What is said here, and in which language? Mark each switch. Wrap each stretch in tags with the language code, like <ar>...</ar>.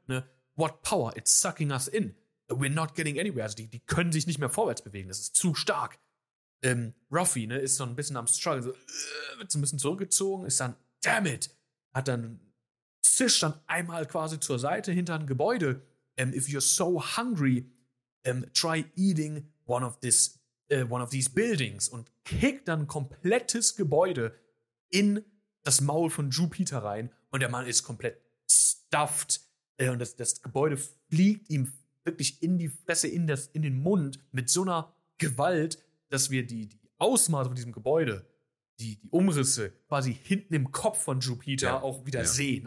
<en>Ne? What power? It's sucking us in. We're not getting anywhere.</en> <de>Also die können sich nicht mehr vorwärts bewegen. Das ist zu stark. Ruffy, ne, ist so ein bisschen am Struggle. So, wird so ein bisschen zurückgezogen. Ist dann,</de> <en>damn it.</en> <de>Hat dann, zischt dann einmal quasi zur Seite hinter ein Gebäude.</de> <en>If you're so hungry, try eating one of these buildings.</en> <de>Und kickt dann ein komplettes Gebäude in das Maul von Jupiter rein. Und der Mann ist komplett stuffed. Und das Gebäude fliegt ihm wirklich in die Fresse, in den Mund mit so einer Gewalt, dass wir die Ausmaße von diesem Gebäude, die Umrisse quasi hinten im Kopf von Jupiter auch wieder sehen.</de>